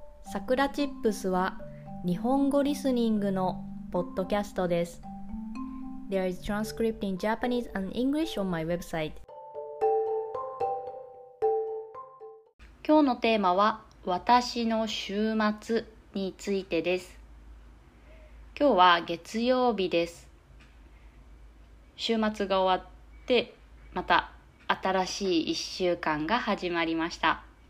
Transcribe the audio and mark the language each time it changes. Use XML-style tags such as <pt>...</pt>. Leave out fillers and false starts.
<ja>さくらチップスは日本語リスニングのポッドキャストです。</ja> <en>There is transcript in Japanese and English on my website。</en> <ja>今日のテーマは私の週末についてです。今日は月曜日です。週末が終わってまた新しい1週間が始まりました。</ja>